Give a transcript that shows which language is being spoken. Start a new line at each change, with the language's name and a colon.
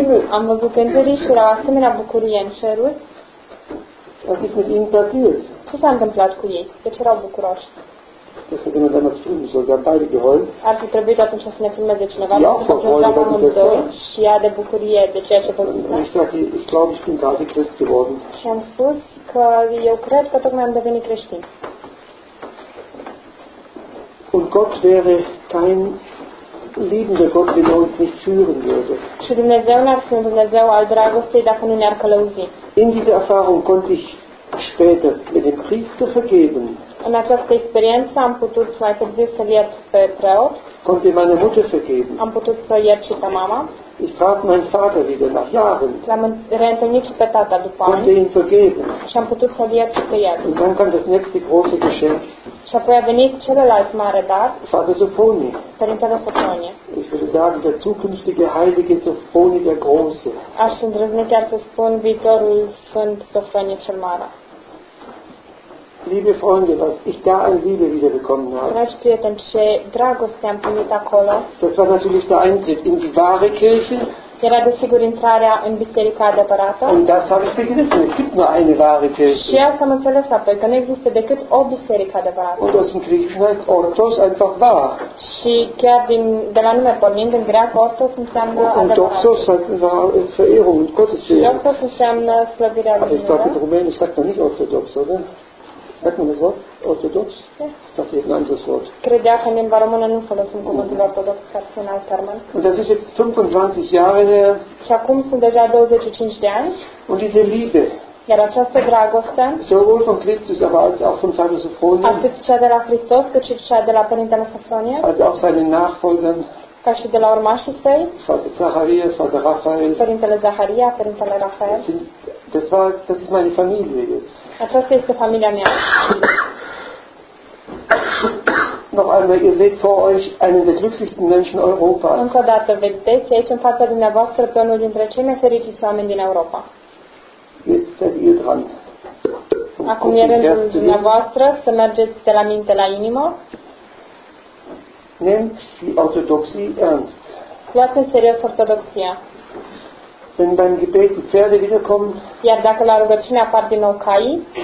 Romanian: Am văzut îngerii și erau asemenea bucurie în ceruri.
German: Was ist mit ihnen passiert?
Romanian: Ce s-a întâmplat cu ei? De ce erau bucuroși?
German: Das hätte man damals filmen sollen, wir haben beide geheult.
Romanian: Ar fi trebuit atunci să ne filmeze cineva, pentru că plângeam amândoi și ea de bucurie de ceea ce pățise. Și am spus că eu cred că tocmai am devenit creștin.
German: Und Gott wäre kein liebender Gott, wenn er uns nicht führen würde.
Romanian: Și Dumnezeu n-ar fi un Dumnezeu al dragostei dacă nu ne-ar călăuzi.
German: In dieser Erfahrung konnte ich später mit dem Priester vergeben.
Romanian: In această experiență am putut mai târziu să iert pe preot.
German: Konnte meine Mutter vergeben.
Romanian: Am putut să iert și pe mama.
German: Ich traf meinen Vater wieder nach Jahren.
Romanian: L-am reîntâlnit și pe tata după ani.
German: Konnte ihn vergeben.
Romanian: Și am putut să iert și pe el.
German: Und dann kam das nächste große Geschenk.
Romanian: Și apoi a venit celălalt mare dar.
German: Vater Sofonie.
Romanian: Părintele Sofonie.
German: Ich würde sagen, der zukünftige heilige Sofonie der Große.
Romanian: Aș îndrăzni chiar să spun viitorul Sfânt Sofonie cel Mare.
German: liebe Freunde, was ich da an Liebe wiederbekommen habe.
Romanian: Dragi prieteni, ce dragoste am primit acolo.
German: Das war natürlich der Eintritt in die wahre Kirche.
Romanian: Era desigur intrarea în biserica adevărată.
German: Und das habe ich begriffen. Es gibt nur eine wahre Kirche.
Romanian: Și asta am înțeles apoi, că nu există decât o biserică adevărată.
German: Und aus dem Griechischen heißt Orthos einfach wahr.
Romanian: Și chiar din, de la nume pornind, în greacă Orthos înseamnă adevărat.
German: Und Doxos hat Verehrung und Gottesdienst.
Romanian: Doxos înseamnă slăvirea lui.
German: Aber ich sage in Rumänisch, sagt man nicht Orthodox, oder? Sagt man das Wort Orthodox? Ja. Ich dachte, ich hätte ein anderes Wort.
Romanian: Credea că în limba română nu folosim cuvântul Orthodox, ca să un alt termen.
German: Und das ist jetzt 25 Jahre her.
Romanian: Și acum sunt deja 25 de ani.
German: Und diese Liebe.
Romanian: Iar această dragoste.
German: Sowohl von Christus, aber als auch von Vater Sofronie.
Romanian: Atât cea de la Hristos, cât și cea de la Părintele Sofronie.
German: Als auch seine Nachfolgern.
Romanian: Ca și de la urmașii săi.
German: Vater Zacharias, Vater Raphael.
Romanian: Părintele Zaharia, Părintele Rafael.
German: Das ist meine Familie jetzt.
Romanian: Aceasta este familia mea.
German: Noch einmal, ihr seht vor euch einen der glücklichsten Menschen Europas.
Romanian: Încă o dată, vedeți aici în fața dumneavoastră pe unul dintre cei mai fericiți oameni din Europa.
German: Jetzt seid ihr dran.
Romanian: Acum e rândul dumneavoastră să mergeți de la minte la inimă.
German: Nehmt die Orthodoxie ernst.
Romanian: Luați în serios Ortodoxia.
German: Wenn beim Gebet die Pferde wiederkommen,
Romanian: iar dacă la rugăciune apar din nou caii,